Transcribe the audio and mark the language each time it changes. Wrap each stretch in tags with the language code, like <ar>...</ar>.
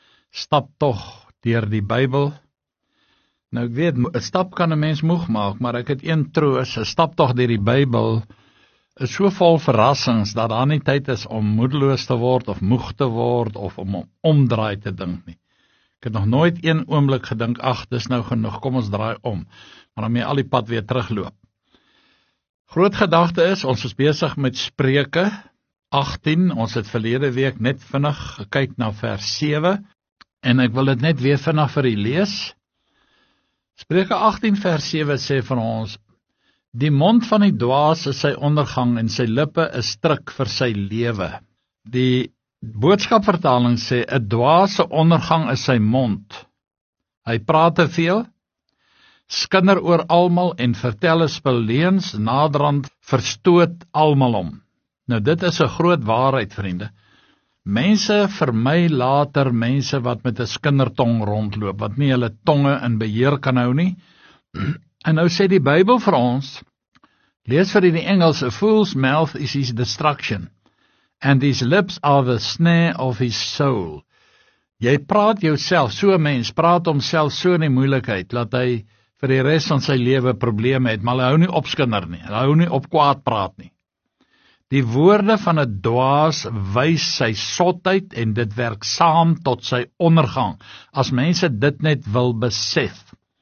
<af>Stap tog deur die Bybel. Nou ek weet, 'n stap kan 'n mens moeg maak, maar ek het een troos, 'n stap tog deur die Bybel is so vol verrassings dat daar nie tyd is om moedeloos te word of moeg te word of om omdraai te dink nie. Ek het nog nooit een oomblik gedink, ag, dis nou genoeg, kom ons draai om. Maar dan moet jy al die pad weer terugloop. Groot gedagte is, ons is besig met Spreuke 18, ons het verlede week net vinnig gekyk na vers 7, en ek wil dit net weer vinnig vir u lees. Spreuke 18 vers 7 sê vir ons, die mond van die dwaas is sy ondergang en sy lippe is struik vir sy lewe. Die boodskapvertaling sê, 'n dwaase ondergang is sy mond. Hy praat te veel, skinder oor almal en vertel een spul leens, naderhand verstoot almal om. Nou dit is 'n groot waarheid, vriende. Mense vermy later mense wat met 'n skindertong rondloop, wat nie hulle tonge in beheer kan hou nie. En nou sê die Bybel vir ons, lees vir die Engels,</af> <en>a fool's mouth is his destruction, and his lips are the snare of his soul.</en> <af>Jy praat jouself, so mens, praat homself so in die moeilikheid, laat hy vir die rest van sy lewe probleme het, maar hy hou nie op skinder nie, hy hou nie op kwaad praat nie. Die woorde van 'n dwaas wys sy sotheid en dit werk saam tot sy ondergang, as mense dit net wil besef.</af>